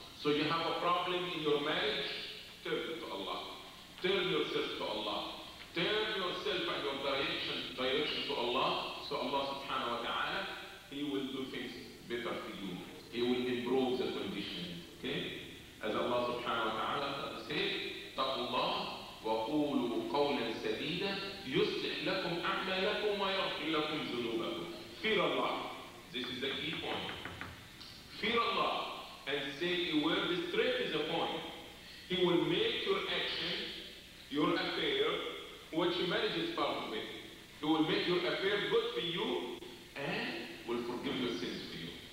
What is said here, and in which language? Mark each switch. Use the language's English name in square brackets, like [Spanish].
[English] So you have a problem in your marriage, turn to Allah. Turn yourself to Allah. Turn yourself and your direction to Allah. So Allah subhanahu wa ta'ala, He will do things better for you. He will improve the condition. Okay? As Allah subhanahu wa ta'ala said, [Arabic] تَقُوا اللَّهُ وَقُولُوا قَوْلًا سَدِيدًا يُسْلِحْ لَكُمْ أَعْمَالَكُمْ وَيَغْفِرْ لَكُمْ ذُنُوبَكُمْ. [English] Fear Allah. This is the key point. Fear Allah. And say a word, this trick is a point. He will make your action, your affair, what you manage is part of it. He will make your affair good for you and will forgive your sins for you.